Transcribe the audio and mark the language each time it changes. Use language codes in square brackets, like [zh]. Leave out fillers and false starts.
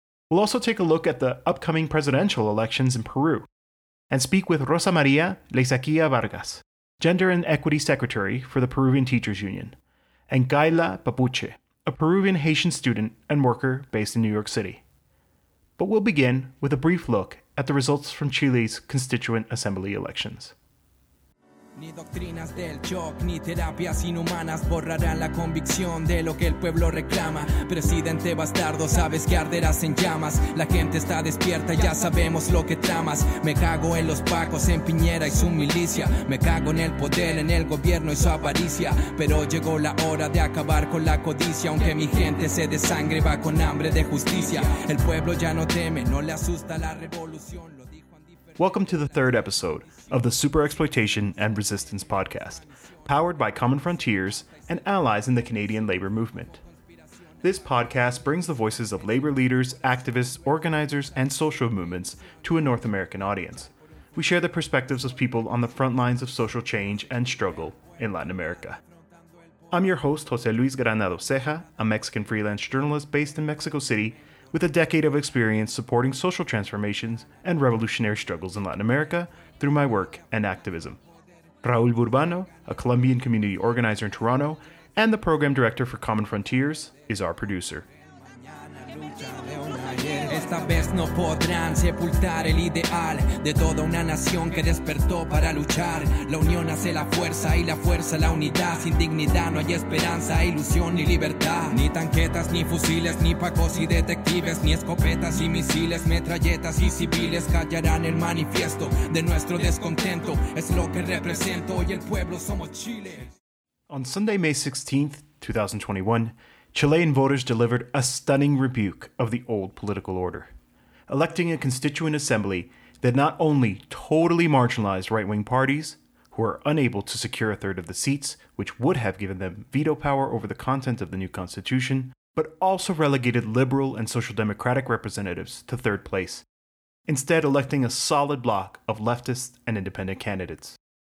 [en] We'll also take a look at the upcoming presidential elections in Peru and speak with Rosa María Leizaquía Vargas, Gender and Equity Secretary for the Peruvian Teachers Union, and Gaila Papuche, a Peruvian Haitian student and worker based in New York City. But we'll begin with a brief look at the results from Chile's Constituent Assembly elections. [es] Ni doctrinas del shock, ni terapias inhumanas borrarán la convicción de lo que el pueblo reclama. Presidente bastardo, sabes que arderás en llamas. La gente está despierta, ya sabemos lo que tramas. Me cago en los pacos, en Piñera y su milicia. Me cago en el poder, en el gobierno y su avaricia. Pero llegó la hora de acabar con la codicia. Aunque mi gente se desangre, va con hambre de justicia. El pueblo ya no teme, no le asusta la revolución. [en] Welcome to the third episode of the Super Exploitation and Resistance podcast, powered by Common Frontiers and allies in the Canadian labor movement. This podcast brings the voices of labor leaders, activists, organizers, and social movements to a North American audience. We share the perspectives of people on the front lines of social change and struggle in Latin America. I'm your host, José Luis Granado Ceja, a Mexican freelance journalist based in Mexico City, with a decade of experience supporting social transformations and revolutionary struggles in Latin America through my work and activism. Raul Burbano, a Colombian community organizer in Toronto and the program director for Common Frontiers, is our producer. [es] Esta vez no podrán sepultar el ideal de toda una nación que despertó para luchar. La unión hace la fuerza y la fuerza la unidad. Sin dignidad no hay esperanza, ilusión ni libertad. Ni tanquetas, ni fusiles, ni pacos y detectives. Ni escopetas y misiles, metralletas y civiles callarán el manifiesto de nuestro descontento. Es lo que represento hoy el pueblo, somos Chile. [en] On Sunday, May 16th, 2021, Chilean voters delivered a stunning rebuke of the old political order, electing a constituent assembly that not only totally marginalized right-wing parties, who are unable to secure a third of the seats, which would have given them veto power over the content of the new constitution, but also relegated liberal and social democratic representatives to third place, instead electing a solid bloc of leftist and independent candidates.